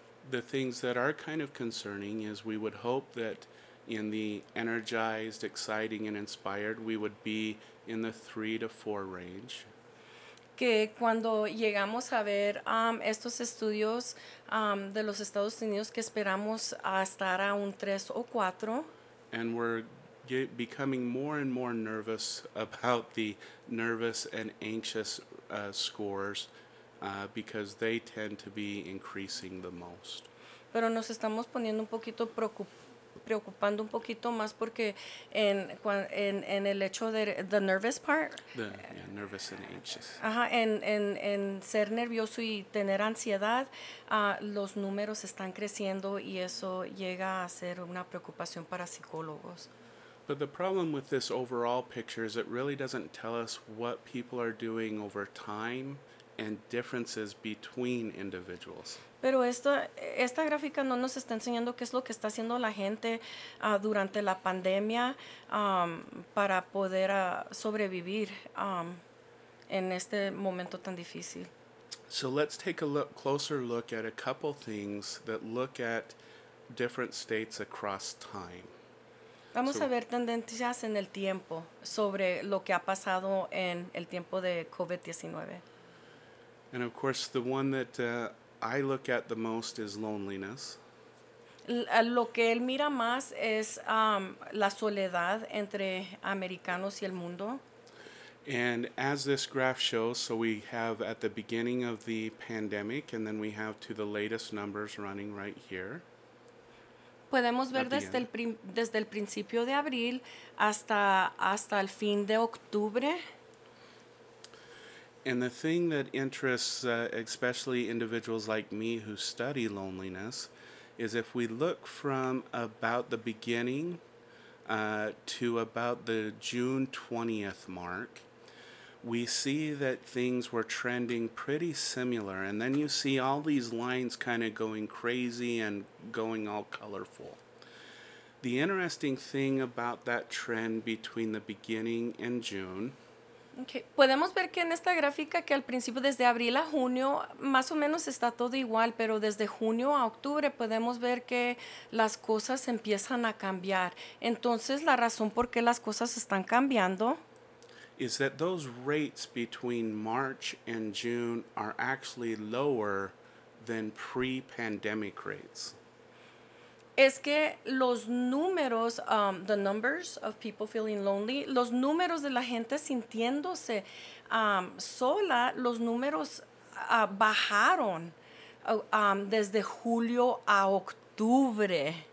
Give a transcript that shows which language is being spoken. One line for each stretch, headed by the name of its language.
English: The things that are kind of concerning is we would hope that in the energized, exciting, and inspired, we would be in the 3 to 4 range.
Spanish: Que cuando llegamos a ver estos estudios de los Estados Unidos, que esperamos a estar a un 3 o 4.
English: And we're becoming more and more nervous about the nervous and anxious scores because they tend to be increasing the most.
Spanish: Pero nos estamos poniendo un poquito preocupando un poquito más porque en el hecho de
English: the nervous part, nervous and anxious,
Spanish: en ser nervioso y tener ansiedad, los números están creciendo y eso llega a ser una preocupación para psicólogos.
English: But the problem with this overall picture is it really doesn't tell us what people are doing over time and differences between individuals.
Spanish: Pero esta gráfica no nos está enseñando qué es lo que está haciendo la gente durante la pandemia para poder sobrevivir en este momento tan difícil.
English: So let's take a closer look at a couple things that look at different states across time.
Spanish: Vamos a ver tendencias en el tiempo sobre lo que ha pasado en el tiempo de COVID-19.
English: And of course, the one that I look at the most is loneliness.
Spanish: Lo que él mira más es la soledad entre americanos y el mundo.
English: And as this graph shows, so we have at the beginning of the pandemic, and then we have to the latest numbers running right here.
Spanish: podemos ver desde el principio de abril hasta el fin de octubre.
English: And the thing that interests especially individuals like me who study loneliness is if we look from about the beginning to about the June 20th mark, we see that things were trending pretty similar. And then you see all these lines kind of going crazy and going all colorful. The interesting thing about that trend between the beginning and June. Okay.
Spanish: Podemos ver que en esta gráfica que al principio desde abril a junio más o menos está todo igual, pero desde junio a octubre podemos ver que las cosas empiezan a cambiar. Entonces, la razón por qué las cosas están cambiando
English: is that those rates between March and June are actually lower than pre-pandemic rates.
Spanish: Es que los números,
English: the numbers of people feeling lonely,
Spanish: los números de la gente sintiéndose sola, los números bajaron desde julio a octubre.